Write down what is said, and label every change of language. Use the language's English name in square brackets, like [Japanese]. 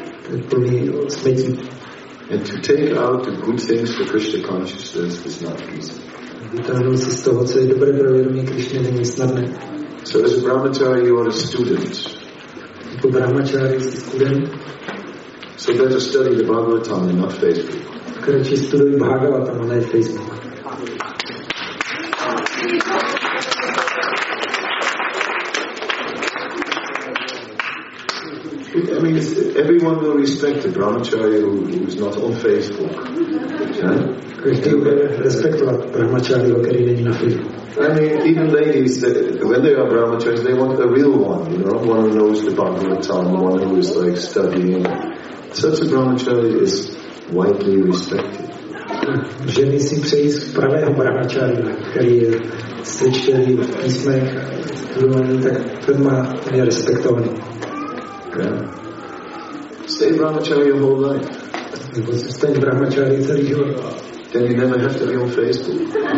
[English] And to take out the good things for Krishna consciousness is not easy. [Czech] Vytáhnout si z toho, co je dobré pro vědomí Krišně, není snadné. [English] So as a brahmachari, you are a student. [Czech] Jako brahmachari, jsi student. [English] So better study the Bhagavatam and not Facebook. [Czech] Kratší studuj Bhagavatam, ale ne Facebook. [English] I mean, everyone will respect the brahmachari who is not on Facebook. [Czech] Každý bude respektovat brahmacharyho, který není na Facebooku. [English] I mean, even ladies, when they are brahmacharis, they want a real one, you know, one who knows the Bhagavatam, one who is like studying. Such a brahmachari is widely respected. [Czech] Ženy si přejí z pravého brahmacharya, který je sečtený v písmech, tak ten má je respektovaný. [English] Stay brahmachari your whole life. [Czech] Nebo zůstaň brahmachari celý život. [English] Then you never have to be on Facebook.